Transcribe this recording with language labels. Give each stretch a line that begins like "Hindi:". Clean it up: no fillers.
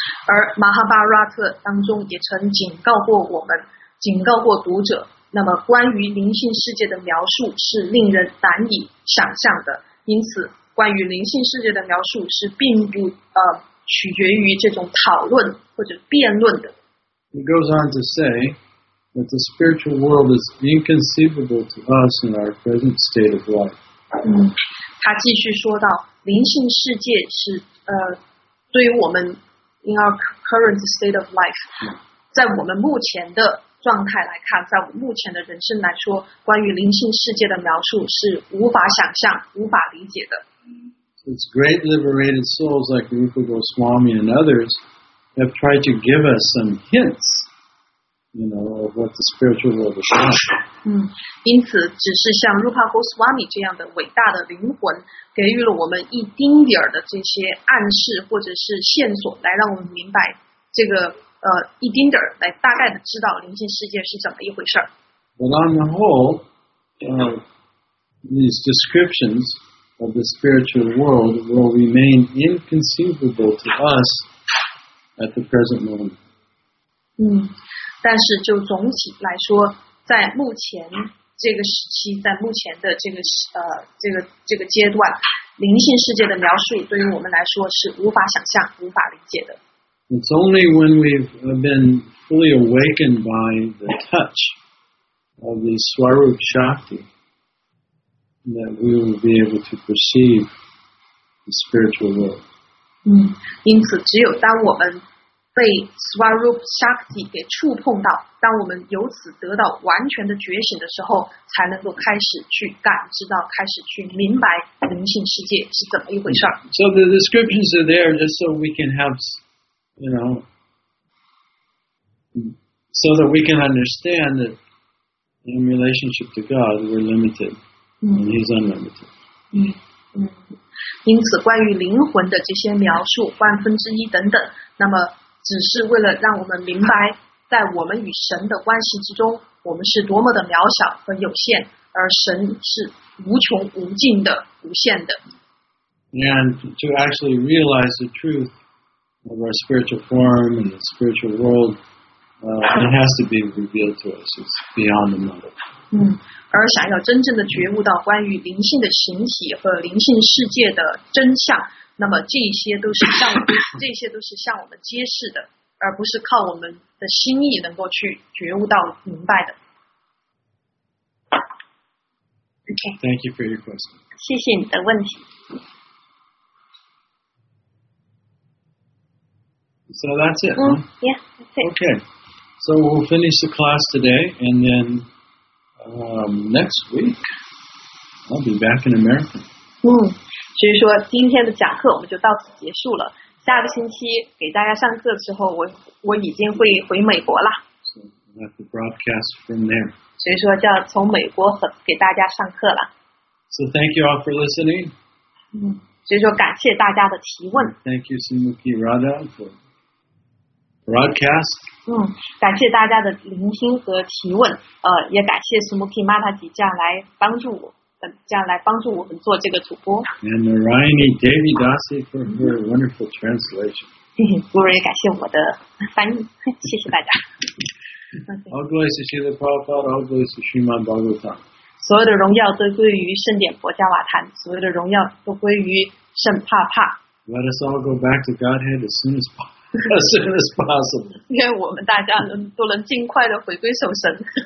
Chinese: 而 Mahabharata 当中也曾警告过我们，警告过读者，那么关于灵性世界的描述是令人难以想象的，因此关于灵性世界的描述是并不取决于这种讨论或者辩论的。
English: He goes on to say that the spiritual world is inconceivable to us in our present state of life.
Chinese: 他继续说到，灵性世界是对于我们
English: in our current state of life，
Chinese: 在我们目前的状态来看，在我目前的人生来说，关于灵性世界的描述是无法想象、无法理解的。
English: It's great liberated souls like Rupa Goswami and others have tried to give us some hints, you know, of what the spiritual world is like.
Chinese: 因此，只是像 Rupa Goswami 这样的伟大的灵魂，给予了我们一丁点儿的这些暗示或者是线索，来让我们明白这个。一丁点儿来大概的知道灵性世界是怎么一回事。
English: But on the whole, these descriptions of the spiritual world will remain inconceivable to us at the present moment.
Chinese: 但是就总体来说，在目前这个时期，在目前的这个阶段，灵性世界的描述对于我们来说是无法想象、无法理解的。
English: It's only when we've been fully awakened by the touch of the Swarup Shakti that we will be able to perceive the spiritual world.
Chinese: 因此只有当我们被 Swarup Shakti 给触碰到，当我们由此得到完全的觉醒的时候，才能够开始去感知到，开始去明白灵性世界是怎么一回事。
English: So the descriptions are there just so we can have, you know, so that we can understand that in relationship to God, we're limited, and He's unlimited.
Chinese: 因此关于灵魂的这些描述，万分之一等等，那么只是为了让我们明白，在我们与神的关系之中，我们是多么的渺小和有限，而神是无穷无尽的、无限的。
English: And to actually realize the truth of our spiritual form and the spiritual world, it has to be revealed to us. It's beyond the mind.
Chinese: 而想要真正的觉悟到关于灵性的形体和灵性世界的真相，那么这些都是向我们，这些都是向我们揭示的，而不是靠我们的心意能够去觉悟到明白的。
English: Okay. Thank you for your question.
Chinese: 谢谢你的问题。
English: So that's it.、 Yeah, that's it. Okay. So we'll finish the class today, and then、next week I'll be back in America.
Chinese: 所以说今天的讲课我们就到此结束了。下个星期给大家上课的时候，我已经会回美国了。
English: So we'll have to broadcast from there.
Chinese: 所以说就要从美国给大家上课了。
English: So thank you all for listening.
Chinese: 所以说感谢大家的提问。
English: Thank you, Simuki Rada, for broadcast.
Chinese: 感谢大家的聆听和提问。也感谢 Simuki Mataji 这样来帮助我。做这个主播。
English: And Narayani Devi Dasi for her wonderful translation.
Chinese: 我也感谢我的翻译，谢谢大家。
English: All glories to Srila Prabhupada, all glories to Srimad Bhagavatam.
Chinese: 所有的荣耀都归于圣典佛加瓦坦，所有的荣耀都归于圣帕帕。
English: Let us all go back to Godhead as soon as possible.
Chinese: 愿我们大家都能尽快的回归受神。